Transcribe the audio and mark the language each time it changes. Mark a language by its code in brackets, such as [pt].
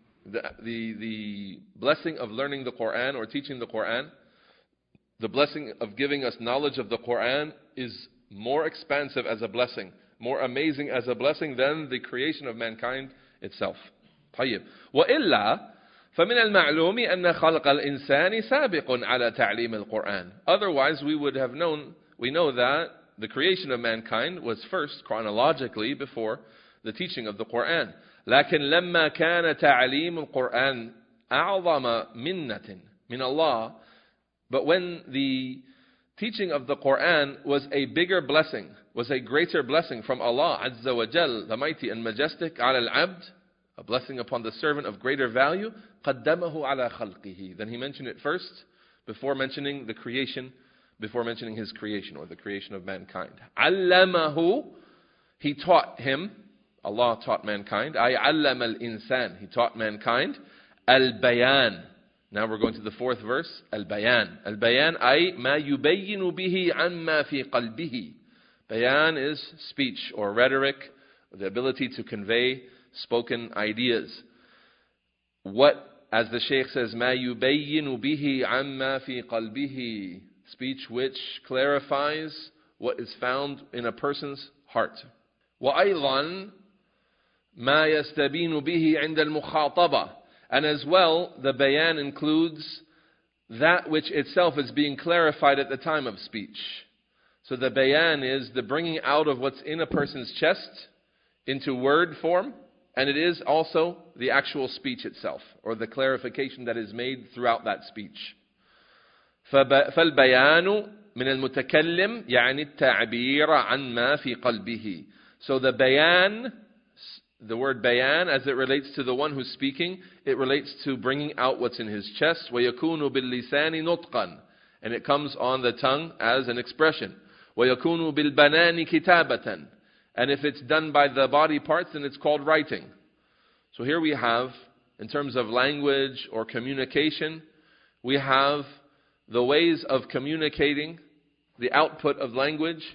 [en] The blessing of learning the Quran or teaching the Quran, the blessing of giving us knowledge of the Quran is more expansive as a blessing, more amazing as a blessing than the creation of mankind itself. [ar] طيب وإلا فمن المعلوم أن خلق الإنسان سابق على تعليم القرآن. [en] Otherwise, we would have known, we know that the creation of mankind was first chronologically before the teaching of the Quran. [ar] لكن لما كان تعليم القرآن أعظم منة من الله. [en] But when the teaching of the Quran was a bigger blessing, was a greater blessing from Allah Azza wa Jal, the mighty and majestic, [ar] على العبد, [en] a blessing upon the servant of greater value, [ar] قدمه على خلقه. [en] Then he mentioned it first before mentioning the creation, before mentioning his creation or the creation of mankind. علمه, he taught him, Allah taught mankind, [ar] أي علم الإنسان, [en] he taught mankind, البيان. Now we're going to the fourth verse, البيان. [ar] البيان أي ما يبين به عن ما في قلبه. [en] بيان is speech or rhetoric, the ability to convey spoken ideas. What, as the Shaykh says, [ar] ما يبين به عن ما في قلبه. [en] Speech which clarifies what is found in a person's heart. [ar] وأيضا ما يستبين به عند المخاطبة. [en] And as well, the bayan includes that which itself is being clarified at the time of speech. So the bayan is the bringing out of what's in a person's chest into word form, and it is also the actual speech itself, or the clarification that is made throughout that speech. [ar] فالبيان من المتكلم يعني التعبير عن ما في قلبه. [en] So the bayan, the word bayan, as it relates to the one who's speaking, it relates to bringing out what's in his chest. [ar] وَيَكُونُ بِاللِّسَانِ نُطْقًا. [en] And it comes on the tongue as an expression. [ar] وَيَكُونُ بِالْبَنَانِ كِتَابَةً. [en] And if it's done by the body parts, then it's called writing. So here we have, in terms of language or communication, we have the ways of communicating the output of language.